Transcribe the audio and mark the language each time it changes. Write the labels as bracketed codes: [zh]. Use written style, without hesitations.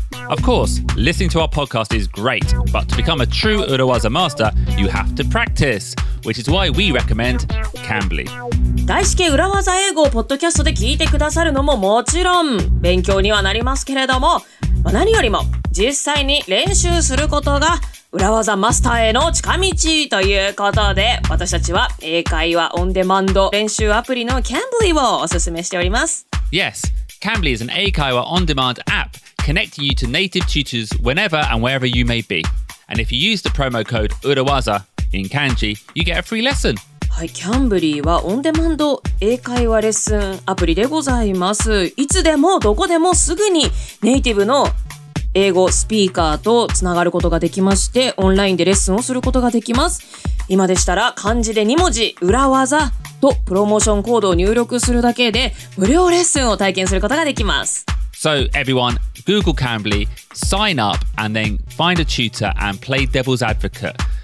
[en] Of course, listening to our podcast is great, but to become a true Urawaza master, you have to practice, which is why we recommend Cambly. [ja] 外資系裏技英語をポッドキャストで聞いてくださるのももちろん勉強にはなりますけれども、まあ、何よりも実際に練習することが裏技マスターへの近道ということで、私たちは英会話オンデマンド練習アプリの Cambly をおすすめしております。 [en] Yes, Cambly is an 英会話オンデマンド app connecting you to native tutors whenever and wherever you may be. And if you use the promo code URAWAZA in Kanji, you get a free lesson. [ja] はい、Cambly はオンデマンド英会話レッスンアプリでございます。いつでもどこでもすぐにネイティブの英語スピーカーとつながることができまして、オンラインでレッスンをすることができます。今でしたら漢字で2文字裏技とプロモーションコードを入力するだけで無料レッスンを体験することができます。 [en] So everyone, Google Cambly, sign up and then find a tutor and play devil's advocate.